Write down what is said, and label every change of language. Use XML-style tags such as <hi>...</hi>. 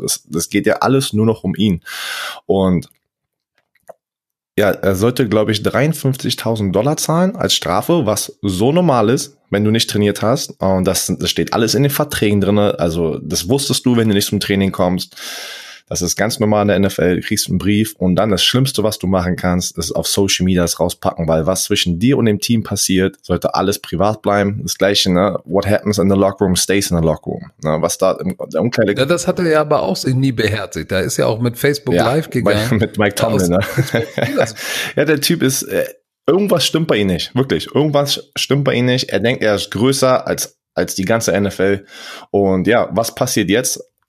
<de>Das geht ja alles nur noch um ihn. Und ja, er sollte, glaube ich, $53,000 zahlen als Strafe, was so normal ist, wenn du nicht trainiert hast. Und das steht alles in den Verträgen drin. Also das wusstest du, wenn du nicht zum Training kommst. Das ist ganz normal in der NFL, du kriegst einen Brief und dann das Schlimmste, was du machen kannst, ist auf Social Media das rauspacken, weil was zwischen dir und dem Team passiert, sollte alles privat bleiben. Das Gleiche, ne?</de> <en>What happens in the locker room stays in the locker room.</en> <de>Ne? Was da im Umkleide. Ja, das hat er ja aber auch sich nie beherzigt. Da ist ja auch mit Facebook Live gegangen. Mit Mike Tomlin, ne? Ja, der Typ ist, irgendwas stimmt bei ihm nicht, wirklich. Irgendwas stimmt bei ihm nicht. Er denkt, er ist größer als die ganze NFL. Und ja, was passiert jetzt?</de>